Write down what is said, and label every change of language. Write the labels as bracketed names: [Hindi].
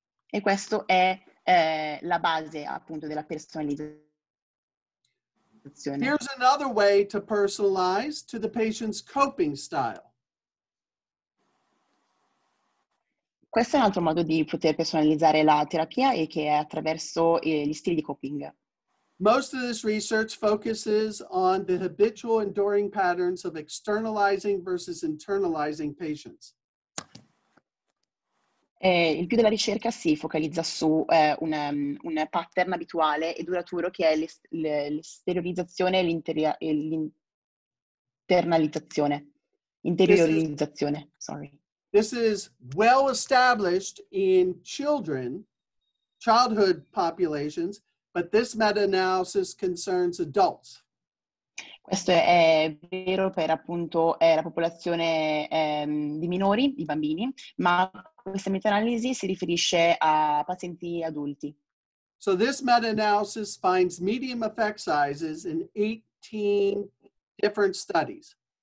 [Italian] E questo è la base, appunto, della personalizzazione. [English] Here's another way to personalize to the patient's coping style. [Italian] Questo è un altro modo di poter personalizzare la terapia e che è attraverso gli stili di coping. [English] Most of this research focuses on the habitual enduring patterns of externalizing versus internalizing patients. [Italian] Il più della ricerca si focalizza su un pattern abituale e duraturo che è l'esteriorizzazione e l'internalizzazione. Interiorizzazione, sorry. [English] This is well established in children, childhood populations, but this meta-analysis concerns adults. [Italian] Questo è vero per appunto la popolazione di minori, di bambini, ma questa meta-analisi si riferisce a pazienti adulti. [English] So this meta-analysis finds medium effect sizes in 18 different studies.